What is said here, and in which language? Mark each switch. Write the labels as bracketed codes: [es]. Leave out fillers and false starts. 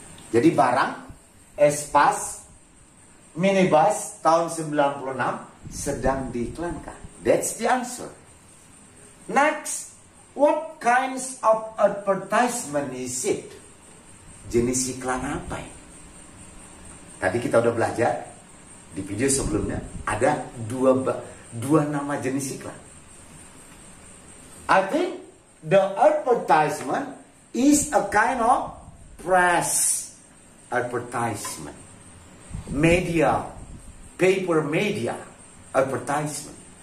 [id] Jadi barang Espas minibus tahun 96 sedang diiklankan. [en] That's the answer. Next, what kinds of advertisement is it? [id] Jenis iklan apa ini? Tadi kita udah belajar di video sebelumnya ada dua nama jenis iklan. [en] I think the advertisement is a kind of press advertisement, media, paper media advertisement.